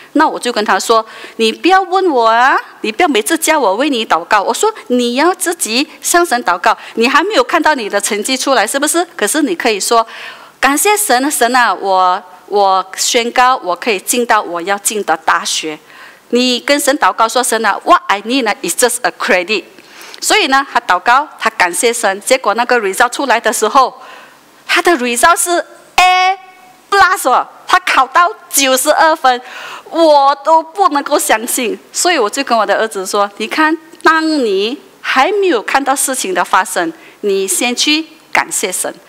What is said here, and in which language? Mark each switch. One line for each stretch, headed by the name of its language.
Chinese: 那我就跟他说，你不要问我啊，你不要每次叫我为你祷告。我说你要自己向神祷告，你还没有看到你的成绩出来是不是？可是你可以说，感谢神，神啊，我宣告我可以进到我要进的大学。你跟神祷告说，神啊，
English: what I need is just a credit。
Chinese: 所以呢，他祷告，他感谢神，结果那个 result 出来的时候，他的 result 是 A plus 哦，他考到92分，我都不能够相信。所以我就跟我的儿子说，你看，当你还没有看到事情的发生，你先去感谢神。